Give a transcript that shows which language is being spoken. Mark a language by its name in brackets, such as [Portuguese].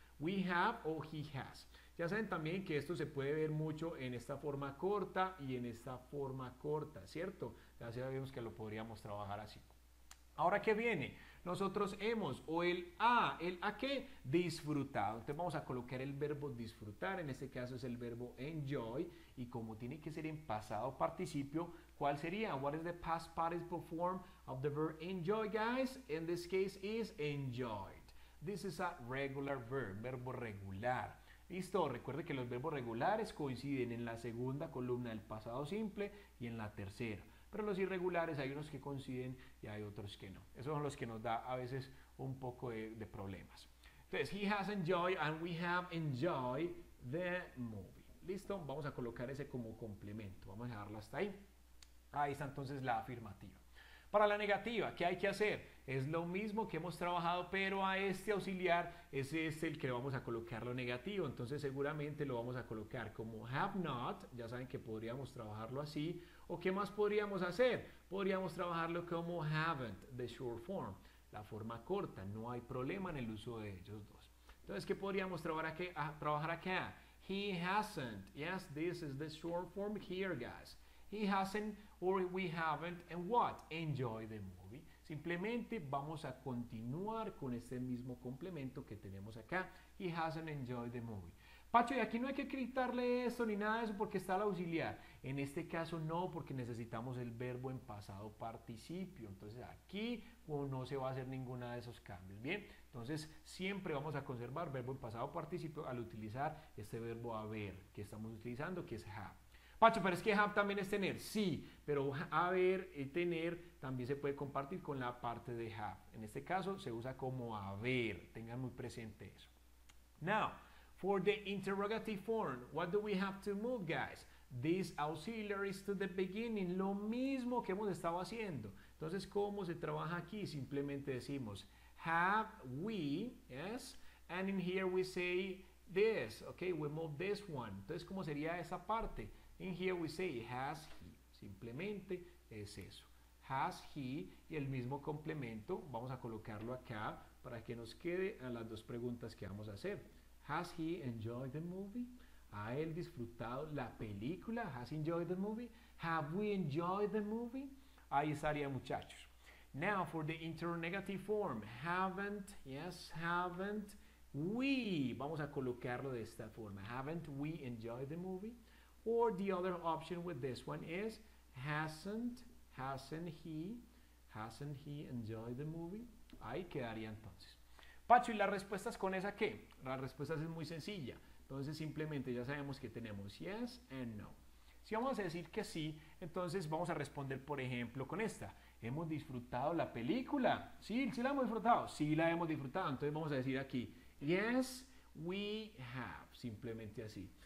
[English] We have [Spanish] o [English] he has. [Spanish] Ya saben también que esto se puede ver mucho en esta forma corta y en esta forma corta, ¿cierto? Ya sabemos que lo podríamos trabajar así. Ahora, ¿qué viene? Nosotros hemos o el a qué? Disfrutado. Entonces vamos a colocar el verbo disfrutar. En este caso es el verbo enjoy. Y como tiene que ser en pasado participio, ¿cuál sería? [English] What is the past participle form of the verb enjoy, guys? In this case is enjoyed. This is a regular verb, [Spanish] verbo regular. Listo, recuerde que los verbos regulares coinciden en la segunda columna del pasado simple y en la tercera. Pero los irregulares hay unos que coinciden y hay otros que no. Esos son los que nos da a veces un poco de problemas. [English] Entonces, he has enjoyed and we have enjoyed the movie. [Spanish] Listo, vamos a colocar ese como complemento. Vamos a dejarlo hasta ahí. Ahí está entonces la afirmativa. Para la negativa, ¿qué hay que hacer? Es lo mismo que hemos trabajado, pero a este auxiliar, ese es el que le vamos a colocar lo negativo. Entonces, seguramente lo vamos a colocar como have not. Ya saben que podríamos trabajarlo así. ¿O qué más podríamos hacer? Podríamos trabajarlo como haven't, [English] the short form, [Spanish] la forma corta. No hay problema en el uso de ellos dos. Entonces, ¿qué podríamos trabajar acá? [English] He hasn't. Yes, this is the short form here, guys. He hasn't or we haven't. And what? Enjoy the movie. [Spanish] Simplemente vamos a continuar con este mismo complemento que tenemos acá. [English] He hasn't enjoyed the movie. [Spanish] Pacho, y aquí no hay que quitarle esto ni nada de eso porque está el auxiliar. En este caso no, porque necesitamos el verbo en pasado participio. Entonces aquí no se va a hacer ninguna de esos cambios. Bien, entonces siempre vamos a conservar verbo en pasado participio al utilizar este verbo haber que estamos utilizando, que es have. Pacho, pero es que have también es tener. Sí, pero haber y tener también se puede compartir con la parte de have. En este caso se usa como haber. Tengan muy presente eso. [English] Now, for the interrogative form, what do we have to move, guys? These auxiliaries to the beginning. [Spanish] Lo mismo que hemos estado haciendo. Entonces, ¿cómo se trabaja aquí? Simplemente decimos, [English] have we, yes? And in here we say this, okay? We move this one. [Spanish] Entonces, ¿cómo sería esa parte? [English] In here we say, has he. [Spanish] Simplemente es eso. [English] Has he, [Spanish] y el mismo complemento, vamos a colocarlo acá para que nos quede a las dos preguntas que vamos a hacer. [English] Has he enjoyed the movie? [Spanish] ¿Ha él disfrutado la película? [English] Has he enjoyed the movie? Have we enjoyed the movie? [Spanish] Ahí estaría, muchachos. [English] Now, for the interrogative form, haven't, yes, haven't we? [Spanish] Vamos a colocarlo de esta forma. [English] Haven't we enjoyed the movie? Or the other option with this one is, hasn't he enjoyed the movie? [Spanish] Ahí quedaría entonces. Pacho, ¿y las respuestas con esa qué? Las respuestas es muy sencilla. Entonces, simplemente ya sabemos que tenemos [English] yes and no. [Spanish] Si vamos a decir que sí, entonces vamos a responder, por ejemplo, con esta. ¿Hemos disfrutado la película? ¿Sí? ¿Sí la hemos disfrutado? Sí la hemos disfrutado. Entonces, vamos a decir aquí, [English] yes, we have. [Spanish] Simplemente así.